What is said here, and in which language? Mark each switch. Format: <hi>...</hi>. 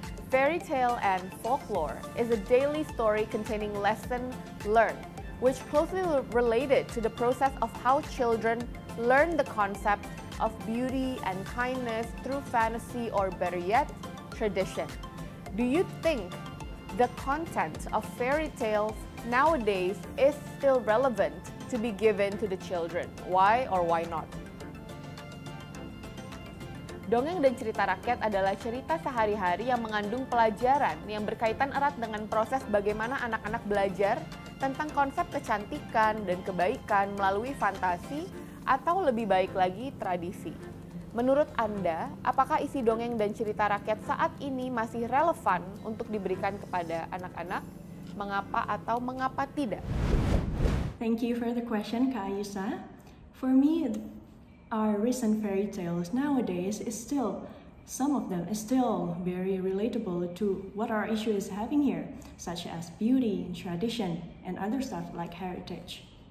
<en>Fairy tale and folklore is a daily story containing lesson learned, which closely related to the process of how children learn the concept of beauty and kindness through fantasy or better yet, tradition. Do you think the content of fairy tales nowadays is still relevant to be given to the children? Why or why not?</en> <id>Dongeng dan cerita rakyat adalah cerita sehari-hari yang mengandung pelajaran yang berkaitan erat dengan proses bagaimana anak-anak belajar tentang konsep kecantikan dan kebaikan melalui fantasi atau lebih baik lagi tradisi. Menurut Anda, apakah isi dongeng dan cerita rakyat saat ini masih relevan untuk diberikan kepada anak-anak? Mengapa atau mengapa tidak?</id> <en>Thank you for the question, Kak Ayusa. For me, our recent fairy tales nowadays is still, some of them is still very relatable to what our issue is having here, such as beauty, tradition, and other stuff like heritage.</en>